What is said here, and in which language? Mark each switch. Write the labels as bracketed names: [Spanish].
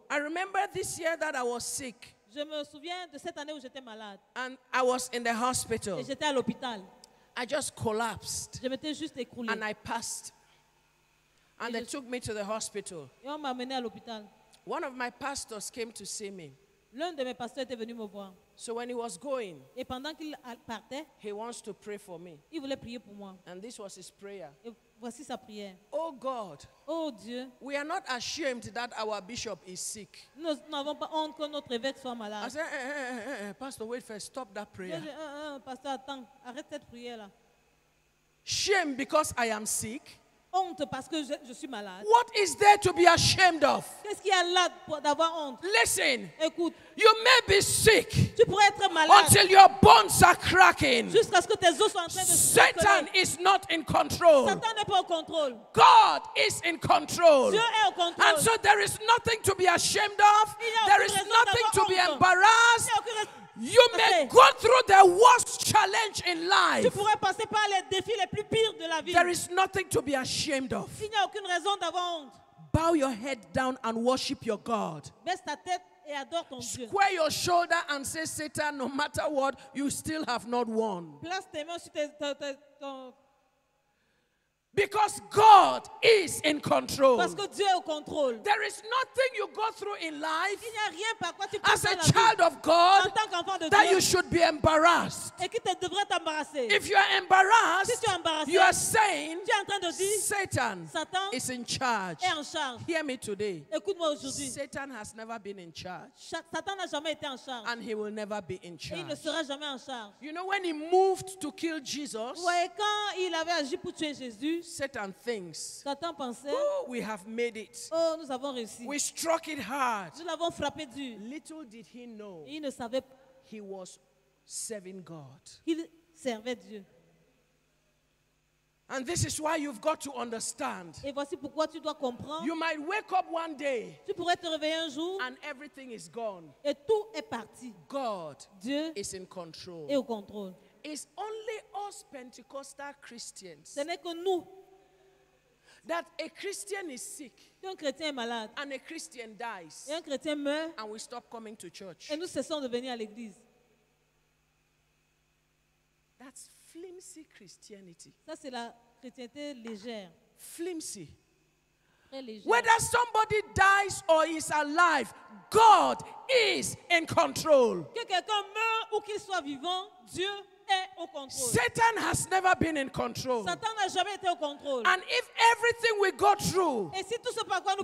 [English] I remember this year that I was sick. [French] Je me souviens de cette année où j'étais malade. [English] And I was in the hospital. [French] Et j'étais à l'hôpital. [English] I just collapsed. [French] Je m'étais juste écroulé. [English] And I passed. And they took me to the hospital. [French] Et on m'a amené à l'hôpital. [English] One of my pastors came to see me. [French] L'un de mes pasteurs était venu me voir. [English] So when he was going, [French] et pendant qu'il partait, [English] he wants to pray for me. [French] Il voulait prier pour moi. [English] And this was his prayer. [French] Et voici sa prière. [English] Oh God. [French] Oh Dieu. [English] We are not ashamed that our bishop is sick. [French] Nous n'avons pas honte que notre évêque soit malade. [English] I said, pastor, wait first, stop that prayer. [French] Pasteur, attends, arrête cette prière là. [English] Shame because I am sick. [French] Honte parce que je suis malade. [English] What is there to be ashamed of? [French] Qu'est-ce qu'il y a là d'avoir honte? [English] Listen. [French] Écoute. [English] You may be sick. [French] Tu pourrais être malade. [English] Until your bones are cracking. [French] Jusqu'à ce que tes os soient en train de craquer. [English] Satan is not in control. [French] Satan n'est pas au contrôle. [English] God is in control. [French] Dieu est au contrôle. [English] And so there is nothing to be ashamed of. [French] Il y a [English] there is nothing to [French] honte. [English] Be embarrassed. You may go through the worst challenge in life. [French] Tu pourrais passer par les défis les plus pires de la vie. [English] There is nothing to be ashamed of. [French] Il n'y a aucune raison d'avoir honte. [English] Bow your head down and worship your God. [French] Baisse ta tête et adore ton [English] Square [French] Dieu. [English] Square your shoulder and say, Satan, no matter what, you still have not won. [French] Place tes mains sur ton... [English] Because God is in control. [French] Parce que Dieu est au contrôle. [English] There is nothing you go through in life. [French] Il n'y a rien par quoi tu [English] as as a child [French] vie, [English] of God, [French] en tant qu'enfant de [English] that [French] Dieu, [English] that you should be embarrassed. [French] Et que tu devrais t'embarrasser. [English] If you are embarrassed, [French] si tu es embarrassé, [English] you are saying, [French] tu es en train de dire, [English] Satan, [French] Satan [English] is in charge. [French] Est en charge. [English] Hear me today. [French] Écoute-moi aujourd'hui. [English] Satan has never been in charge. [French] Satan n'a jamais été en charge. [English] And he will never be in charge. [French] Et il ne sera jamais en charge. [English] You know when he moved to kill Jesus? [French] Ouais, quand il avait agi pour tuer Jésus. [English] Satan thinks. [French] Satan pensait. [English] Oh, we have made it. [French] Oh, nous avons réussi. [English] We struck it hard. [French] Nous l'avons frappé dur. [English] Little did he know. [French] Il ne savait pas. [English] He was serving God. [French] Il servait Dieu. [English] And this is why you've got to understand. [French] Et voici pourquoi tu dois comprendre. [English] You might wake up one day. [French] Tu pourrais te réveiller un jour. [English] And everything is gone. [French] Et tout est parti. [English] God. [French] Dieu [English] is in control. [French] Est au contrôle. [English] It's only us Pentecostal Christians. [French] Ce n'est que nous. [English] That a Christian is sick. [French] Un chrétien est malade. [English] And a Christian dies. [French] Et un chrétien meurt. [English] And we stop coming to church. [French] Et nous cessons de venir à l'église. [English] That's flimsy Christianity. [French] Ça c'est la chrétienté légère. [English] Flimsy. [French] Très légère. [English] Whether somebody dies or is alive, God is in control. [French] Que quelqu'un meure ou qu'il soit vivant, Dieu [English] Satan has never been in control. [French] Satan n'a jamais été au contrôle. [English] And if everything we go through, [French] et si tout ce par quoi nous